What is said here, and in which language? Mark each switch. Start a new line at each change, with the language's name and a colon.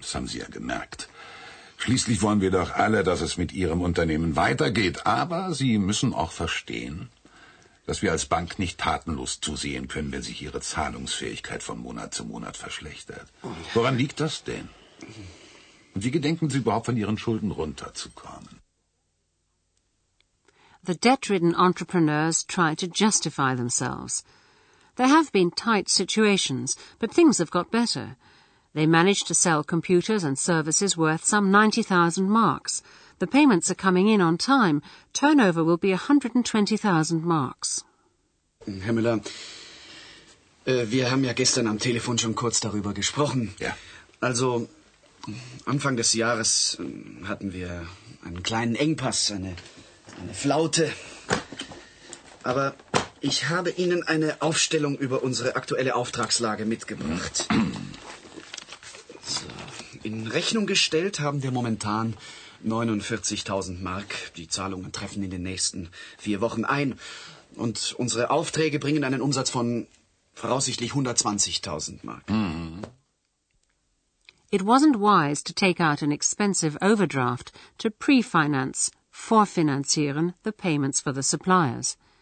German: Das haben Sie ja gemerkt. Schließlich wollen wir doch alle, dass es mit Ihrem Unternehmen weitergeht. Aber Sie müssen auch verstehen, dass wir als Bank nicht tatenlos zusehen können, wenn sich Ihre Zahlungsfähigkeit von Monat zu Monat verschlechtert. Woran liegt das denn? Und wie gedenken Sie überhaupt, von Ihren Schulden runterzukommen?
English: The debt-ridden entrepreneurs try to justify themselves. There have been tight situations, but things have got better. They managed to sell computers and services worth some 90,000 marks. The payments are coming in on time. Turnover will be 120,000 marks.
German: Herr Müller, wir haben ja gestern am Telefon schon kurz darüber gesprochen. Ja. Also, Anfang des Jahres hatten wir einen kleinen Engpass, eine Flaute. Aber ich habe Ihnen eine Aufstellung über unsere aktuelle Auftragslage mitgebracht. So. In Rechnung gestellt haben wir momentan 49.000 Mark. Die Zahlungen treffen in den nächsten 4 Wochen ein. Und unsere Aufträge bringen einen Umsatz von voraussichtlich 120.000 Mark. Mhm.
English: It wasn't wise to take out an expensive overdraft to pre-finance, vorfinanzieren, the payments for the suppliers.